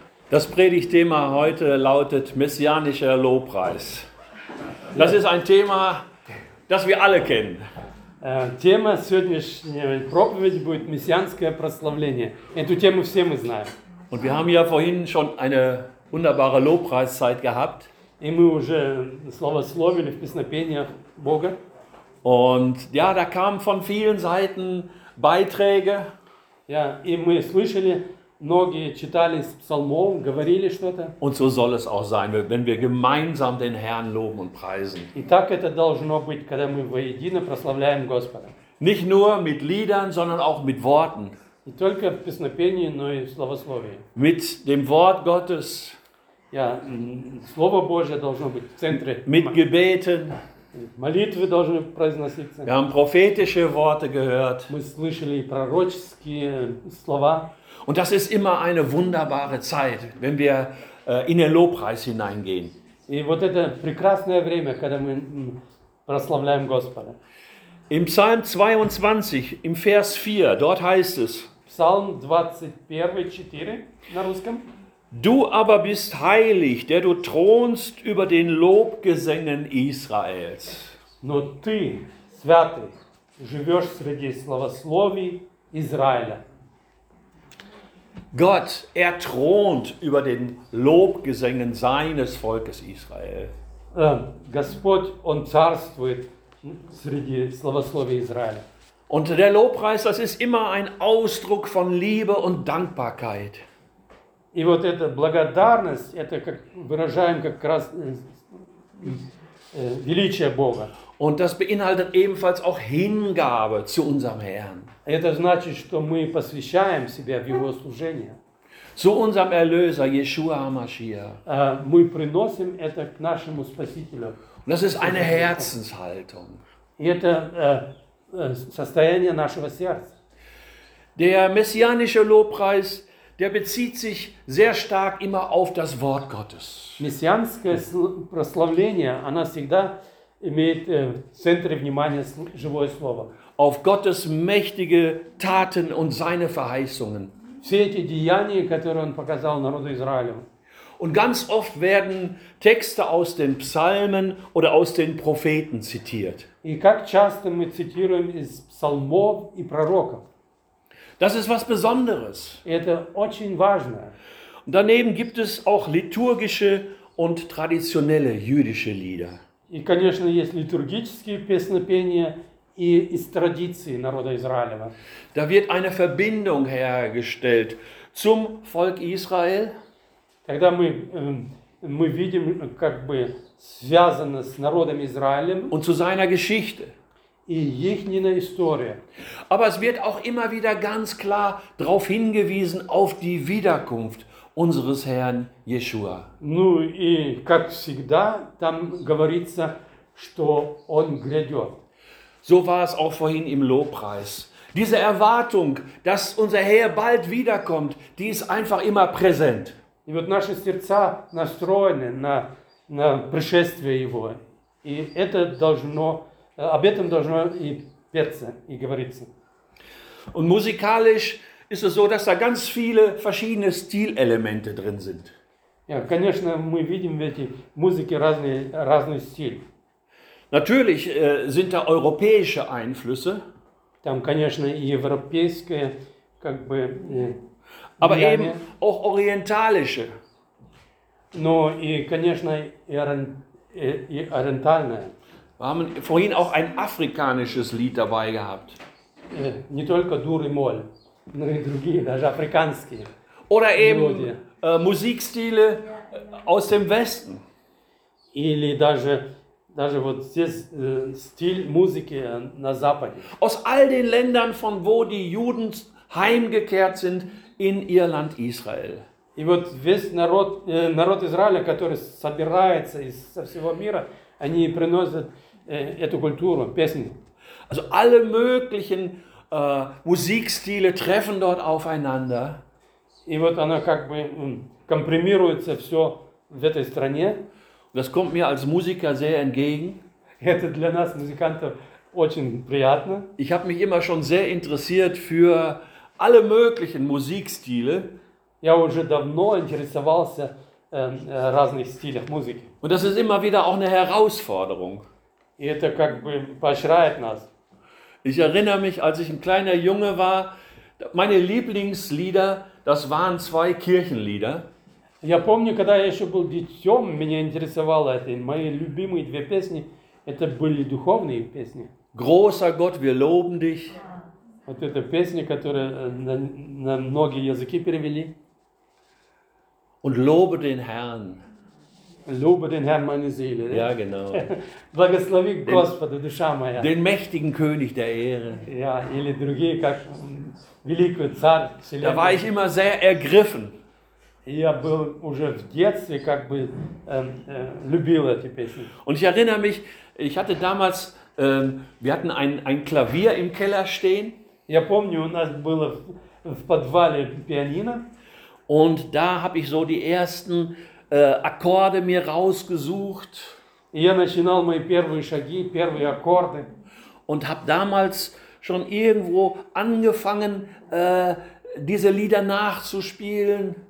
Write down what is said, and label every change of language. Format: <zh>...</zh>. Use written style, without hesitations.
<de>Das Predigtthema heute lautet messianischer Lobpreis. Das ist ein Thema, das wir alle kennen.</de> <ru>Тема сегодняшней проповеди будет мессианское прославление. Эту тему все мы знаем.</ru> <de>Und wir haben ja vorhin schon eine wunderbare Lobpreiszeit gehabt.</de> <ru>И мы уже славословили в песнопениях Бога.</ru> <de>Und ja, da kamen von vielen Seiten Beiträge.</de> <ru>Ja, и мы слышали. Многие читали псалмов, говорили что-то.</ru> <de>Und so soll es auch sein, wenn wir gemeinsam den Herrn loben und preisen.</de> <ru>И так это должно быть, когда мы воедино прославляем Господа.</ru> <de>Nicht nur mit Liedern, sondern auch mit Worten.</de> <ru>Не только песнопением, но и словословием.</ru> <de>Mit dem Wort Gottes.</de> <ru>Ja, Слово Божье должно быть в центре.</ru> <de>Mit Gebeten.</de> <ru>Молитвы должны произноситься.</ru> <de>Wir haben prophetische Worte gehört.</de> <ru>Мы слышали пророческие слова.</ru> <de>Und das ist immer eine wunderbare Zeit, wenn wir in den Lobpreis hineingehen.</de> <ru>И вот это прекрасное время, когда мы прославляем Господа.</ru> <de>Im Psalm 22, im Vers 4, dort heißt es:</de> <ru>Psalm 21:4 на русском.</ru> <de>Du aber bist heilig, der du thronst über den Lobgesängen Israels.</de> <ru>Но ты святый, живёшь среди словословий Израиля.</ru> <de>Gott, er thront über den Lobgesängen seines Volkes Israel.</de> <ru>Господь, он царствует среди словословий Израиля.</ru> <de>Und der Lobpreis, das ist immer ein Ausdruck von Liebe und Dankbarkeit.</de> <ru>И вот эта благодарность, это как выражаем как раз величие Бога.</ru> <de>Und das beinhaltet ebenfalls auch Hingabe zu unserem Herrn.</de> <ru>Это значит, что мы посвящаем себя в его служение.</ru> <de>Zu unserem Erlöser Yeshua HaMashiach.</de> <ru>Мы приносим это к нашему Спасителю.</ru> <de>Und das ist eine Herzenshaltung.</de> <ru>Это состояние нашего сердца.</ru> <de>Der messianische Lobpreis, der bezieht sich sehr stark immer auf das Wort Gottes.</de> <ru>Мессианское прославление, оно всегда имеет в центре внимания живое слово.</ru> <de>Auf Gottes mächtige Taten und seine Verheißungen.</de> <ru>Все эти деяния, которые он показал народу Израилю.</ru> <de>Und ganz oft werden Texte aus den Psalmen oder aus den Propheten zitiert.</de> <ru>И как часто мы цитируем из псалмов и пророков.</ru> <de>Das ist was Besonderes.</de> <ru>Это очень важно.</ru> <de>Und daneben gibt es auch liturgische und traditionelle jüdische Lieder.</de> <ru>И, конечно, есть литургические песнопения и из традиции народа Израилева.</ru> <de>Da wird eine Verbindung hergestellt zum Volk Israel.</de> <ru>Тогда мы видим, как бы связано с народом Израилем.</ru> <de>Und zu seiner Geschichte.</de> <ru>И ихняя история.</ru> <de>Aber es wird auch immer wieder ganz klar darauf hingewiesen, auf die Wiederkunft unseres Herrn Yeshua.</de> <ru>Ну и как всегда там говорится, что он грядет.</ru> <de>So war es auch vorhin im Lobpreis. Diese Erwartung, dass unser Herr bald wiederkommt, die ist einfach immer präsent.</de> <ru>И вот наши сердца настроены на пришествие его. И это должно, об этом должно и петься, и говориться.</ru> <de>Und musikalisch ist es so, dass da ganz viele verschiedene Stilelemente drin sind.</de> <ru>Ja, конечно, мы видим в этой музыке разный стиль.</ru> <de>Natürlich sind da europäische Einflüsse.</de> <ru>Там, конечно, и европейские, как бы,</ru> <de>aber Miami. Eben auch orientalische.</de> <ru>Но и, конечно, и ориентальные.</ru> <de>Wir haben vorhin auch ein afrikanisches Lied dabei gehabt.</de> <ru>Не только дур и моль. Ну и другие, даже африканские.</ru> <de>Oder eben Musikstile aus dem Westen.</de> <ru>Или даже вот здесь стиль музыки на Западе.</ru> <de>Aus all den Ländern, von wo die Juden heimgekehrt sind in ihr Land Israel.</de> <ru>И вот весь народ Израиля, который собирается из со всего мира, они приносят эту культуру, песни.</ru> <de>Also alle möglichen Musikstile treffen dort aufeinander.</de> <ru>И вот оно как бы компримируется все в этой стране.</ru> <de>Das kommt mir als Musiker sehr entgegen.</de> <ru>Это для нас, музыкантов, очень приятно.</ru> <de>Ich habe mich immer schon sehr interessiert für alle möglichen Musikstile.</de> <ru>Я уже давно интересовался разных стилей музыки.</ru> <de>Und das ist immer wieder auch eine Herausforderung.</de> <ru>И это как бы поощряет нас.</ru> <de>Ich erinnere mich, als ich ein kleiner Junge war, meine Lieblingslieder, das waren zwei Kirchenlieder.</de> <ru>Я помню, когда я ещё был детём, меня интересовало это. Мои любимые две песни это были духовные песни.</ru> <de>Großer Gott, wir loben dich.</de> <ru>Вот это песни, которые на многие языки перевели.</ru> <de>Und lobe den Herrn. Lobe den Herrn, meine Seele. Ja, genau.</de> <ru>Благослови Господа, душа моя.</ru> <de>Den mächtigen König der Ehre.</de> <ru>Ja, или другие, как великий царь.</ru> <de>Da war ich immer sehr ergriffen.</de> <ru>Я был уже в детстве, как бы, любил эти песни.</ru> <de>Und ich erinnere mich, ich hatte damals, wir hatten ein Klavier im Keller stehen.</de> <ru>Я помню, у нас было в подвале пианино.</ru> <de>Und da habe ich so die ersten Akkorde mir rausgesucht.</de> <ru>Я начинал мои первые шаги, первые аккорды.</ru> <de>Und habe damals schon irgendwo angefangen, diese Lieder nachzuspielen.</de>